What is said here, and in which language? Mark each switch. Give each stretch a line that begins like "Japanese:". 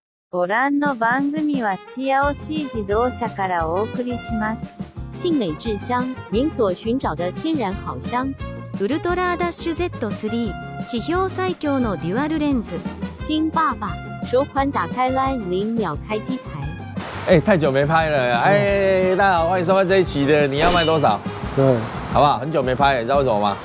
Japanese: ご覧の番組は幸せ自動車からお送りします。
Chinese: 性美智香，您所寻找的天然好香。
Japanese: ウルトラダッシュ Z3、地表最強のデュアルレンズ。
Chinese: 金爸爸，首款打开 LINE 零秒开机牌。哎，太久没拍了。哎，大家好，欢迎收看这一期的你要卖多少？对，好不好？很久没拍了，你知道为什么吗？